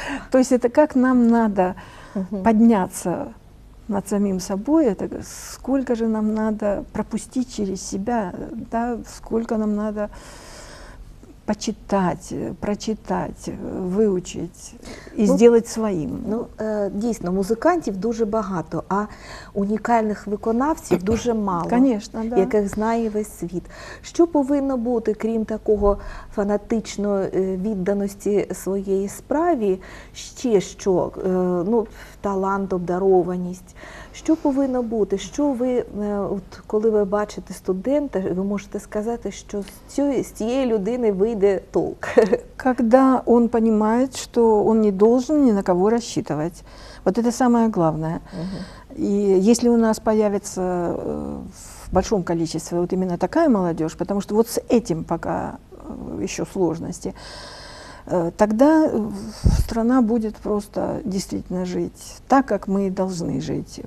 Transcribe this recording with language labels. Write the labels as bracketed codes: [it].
[ru] То есть это как нам надо подняться над самим собой, это сколько же нам надо пропустить через себя, да? Сколько нам надо почитать, прочитать, выучить и сделать своим. [uk] Ну, дійсно, музикантів дуже багато, а унікальних виконавців дуже мало. [ru] Конечно, да. [uk] Яких знає весь світ. Що повинно бути, крім такого фанатичної відданості своєї справі, ще що, ну, талант, обдарованість. Що повинно бути? Що ви, от коли ви бачите студента, ви можете сказати, що з цієї людини вийде толк? [ru] Когда он понимает, что он не должен ни на кого рассчитывать. Вот это самое главное. И если у нас появится в большом количестве вот именно такая молодежь, потому что вот с этим пока еще сложности, тогда страна будет просто действительно жить так, как мы и должны жить.